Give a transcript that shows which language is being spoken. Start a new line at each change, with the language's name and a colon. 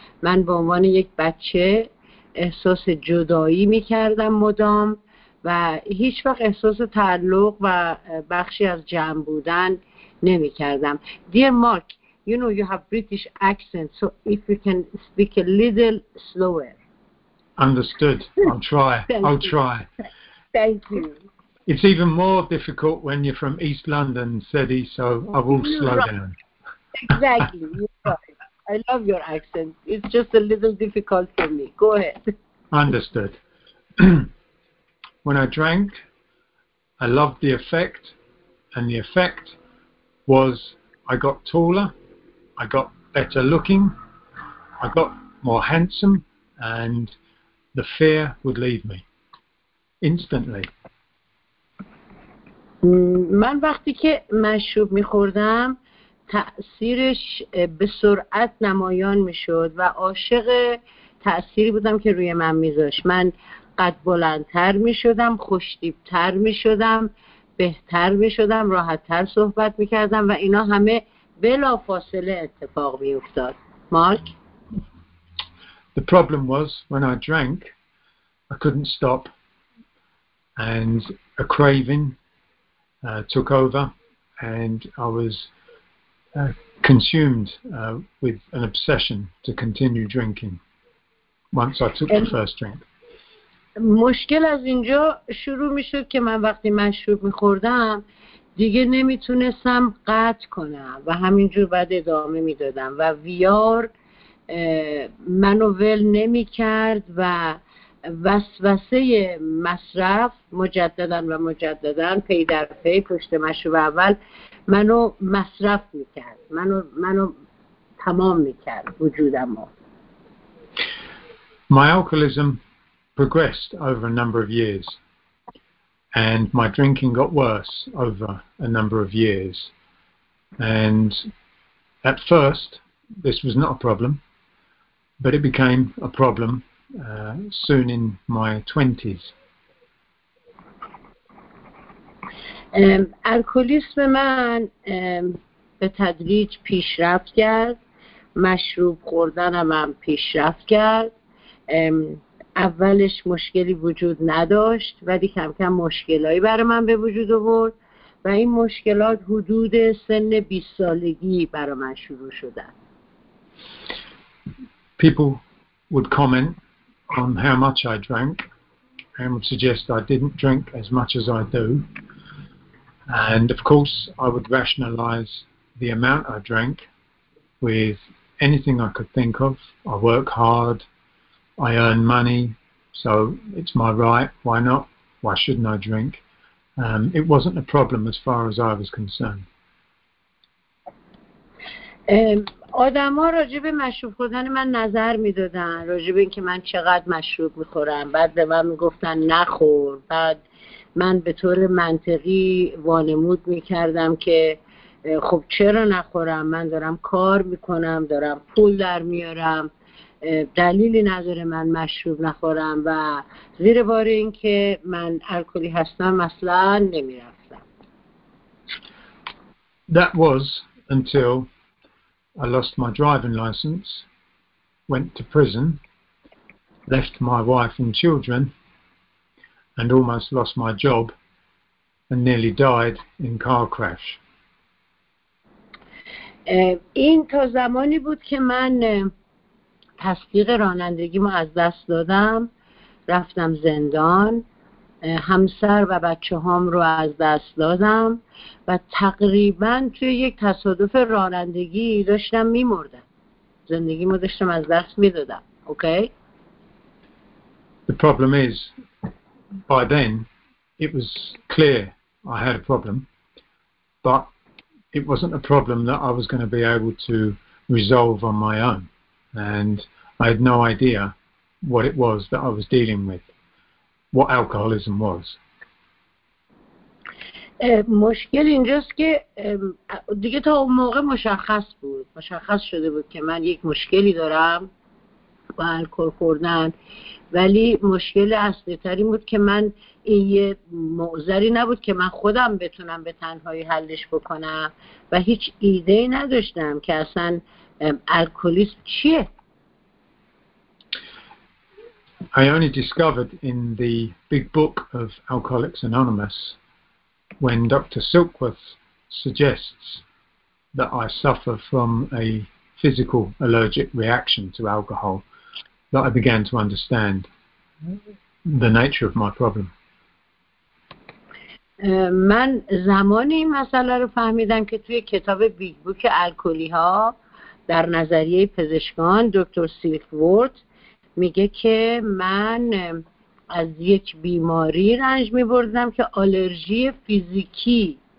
Persian: من به عنوان یک بچه احساس جدایی می‌کردم مدام و هیچ وقت احساس تعلق و بخشی از جمع بودن نمی کردم.
English: Dear Mark, you know you have British accent, so if you can speak a little slower. Understood. I'll try. I'll try. Thank you. It's even more difficult when you're from East London, Sedi, so I will slow down. Exactly. You're right. I love your accent. It's just a little difficult for me. Go ahead. Understood. When I drank, I loved the effect, and the effect was I got taller, I got better looking, I got more handsome, and the fear would leave me instantly.
Persian: من وقتی که مشروب می‌خوردم تأثیرش به سرعت نمایان می‌شد و عاشق تأثیری بودم که روی من می‌ذاشت. من قد بلندتر می‌شدم، خوش‌تیپ‌تر می‌شدم، بهتر می‌شدم، راحت‌تر صحبت می‌کردم و اینا همه بلافاصله اتفاق می‌افتاد. مارک؟
English: The problem was when I drank, I couldn't stop and a craving took over, and I was consumed with an obsession to continue drinking once I took the first drink.
Persian: مشکل از اینجا شروع میشد که من وقتی مشروب میخوردم دیگه نمیتونستم قطع کنم و همینجور بعد ادامه میدادم و ویار منو ول نمیکرد و وسوسه مصرف مجددن و مجددن پی در پی پشت مشروب اول منو مصرف میکرد، منو تمام میکرد وجودم رو.
English: My alcoholism progressed over a number of years and my drinking got worse over a number of years, and at first this was not a problem, but it became a problem soon in my 20s.
Persian: الکلیسم من به تدریج پیشرفت کرد، مشروب خوردنم هم پیشرفت کرد. اولش مشکلی وجود نداشت ولی کم کم مشکلایی برای من به وجود آورد و این مشکلات حدود سن 20 سالگی برای من شروع شدن.
English: People would comment on how much I drank and would suggest I didn't drink as much as I do. And of course, I would rationalize the amount I drank with anything I could think of. I work hard, I earn money, so it's my right. Why not? Why shouldn't I drink? It wasn't a problem as far as I was concerned.
Persian: آدم ها راجب مشروب خوردن من نظر می دادن، راجب این که من چقدر مشروب می خورم، بعد به من می گفتن نخور، بعد من به طور منطقی وانمود می کردم که خب چرا نخورم، من دارم کار می کنم، دارم پول در میارم، دلیلی نداره من مشروب نخورم، و زیر بار این که من الکلی هستم مثلا نمی رفتم.
English: That was until I lost my driving license, went to prison, left my wife and children, and almost lost my job, and nearly died in car crash.
Persian: این تا زمانی بود که من تصدیق رانندگیمو از دست دادم، رفتم زندان، همسر و بچه هام رو از دست دادم و تقریبا توی یک تصادف رانندگی داشتم میمردم، زندگی ما داشتم از دست میدادم. اوکی؟
English: The problem is by then it was clear I had a problem, but it wasn't a problem that I was going to be able to resolve on my own, and I had no idea what it was that I was dealing with. What alcoholism was.
Persian: مشکل اینجاست که دیگه تا اون موقع مشخص بود، مشخص شده بود که من یک مشکلی دارم با الکل خوردن، ولی مشکل اصلی تری بود که من این یه معذری نبود که من خودم بتونم به تنهایی حلش بکنم و هیچ ایده‌ای نداشتم که اصلا الکلیسم چیه.
English: I only discovered in the big book of Alcoholics Anonymous when Dr. Silkworth suggests that I suffer from a physical allergic reaction to alcohol that I began to understand the nature of my problem.
Persian: من زمانی این مسئله رو فهمیدم که توی کتاب بیگ بوک الکلی ها در نظریه پزشکان دکتر سیلکورث میگه که من از یک بیماری رنج می‌بردم که آلرژی فیزیکی